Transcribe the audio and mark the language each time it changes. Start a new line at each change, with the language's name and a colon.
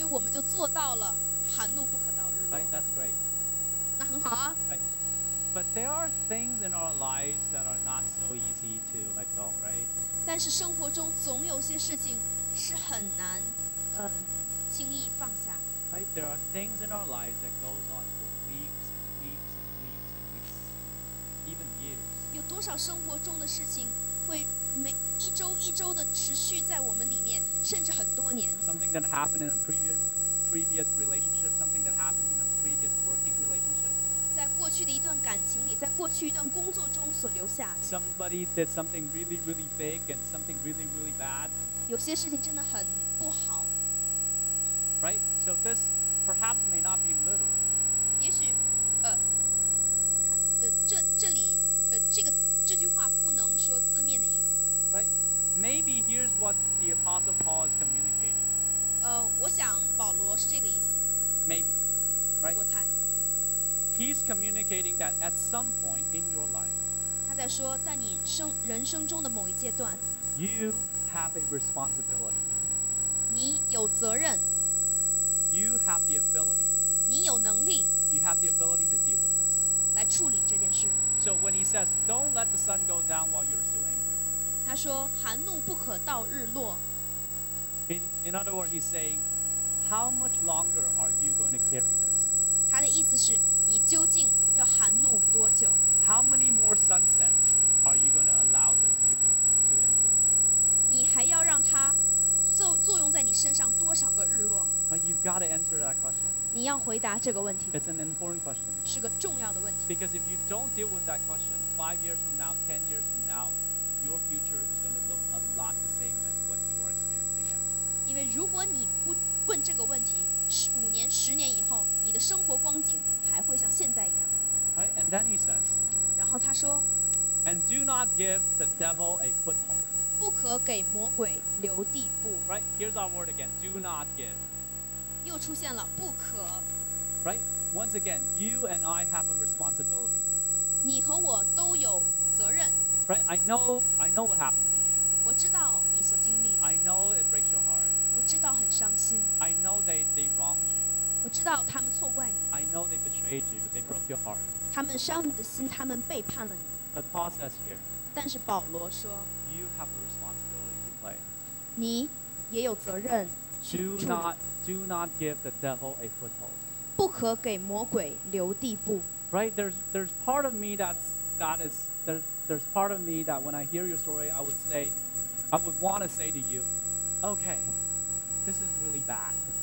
Chinese: 就做到了寒露不可到日落。
English: Right, that's great.
Chinese: 那很好啊。
English: But there are things in our lives that are not so easy to let go, right?
Chinese: 但是生活中总有些事情是很难，轻易放下。
English: Right, there are things in our lives that goes on for weeks and weeks and weeks and weeks, even years.
Chinese: 有多少生活中的事情会每一周一周的持续在我们里面，甚至很多年。
English: Something that happened in a previous relationship, something that happened in a previous working relationship.
Chinese: 在过去的一段感情里，在过去一段工作中所留下的。
English: Somebody did something really, really big and something really, really bad.
Chinese: 有些事情真的很不好。
English: Right? So this perhaps may not be literal.
Chinese: 也许，这里，这句话不能说字面的意思。
English: Right? Maybe here's what the Apostle Paul is communicating.
Chinese: 我想保罗是这个意思。
English: Maybe. Right?
Chinese: 我猜。
English: He's communicating that at some point in your life.
Chinese: 他在说，在你人生中的某一阶段。
English: You have a responsibility.
Chinese: 你有责任。
English: You have the ability.
Chinese: 你有能力。
English: You have the ability to deal with this.
Chinese: 来处理这件事。
English: So when he says, "Don't let the sun go down while you're still angry."
Chinese: 他说，寒怒不可到日落。
English: In other words, he's saying, "How much longer are you going to carry this?"
Chinese: 他的意思是，你究竟要寒怒多久
English: ？How many more sunsets are you going to allow this to influence?
Chinese: 你还要让它作用在你身上多少个日落？
English: But you've got to answer that question.
Chinese: 你要回答这个问题。
English: It's an important question.
Chinese: 是个重要的问题。
English: Because if you don't deal with that question, 5 years from now, 10 years from now, your future is going to look a lot the same as what you are experiencing now.
Chinese: 因为如果你不问这个问题，5年、10年以后，你的生活光景还会像现在一样。
English: Right, and then he says.
Chinese: 然后他说。
English: And do not give the devil a foothold.
Chinese: 不可给魔鬼留地步。
English: Right, here's our word again. Do not give.
Chinese: 又出现了不可。
English: Right? Once again, you and I have a responsibility.
Chinese: 你和我都有责任。
English: Right? I know what happened to you.
Chinese: 我知道你所经历的。
English: I know it breaks your heart.
Chinese: 我知道很伤心。
English: I know they wronged you.
Chinese: 我知道他们错怪你。
English: I know they betrayed you. They broke your heart.
Chinese: 他们伤你的心，他们背叛了你。
English: But Paul says here.
Chinese: 但是保罗说。
English: You have a responsibility to play.
Chinese: 你也有责任。
English: Do not give the devil a foothold.
Chinese: 不可给魔鬼留地步。
English: Right, there's part of me there's part of me that when I hear your story, I would want to say to you, okay, this is really bad.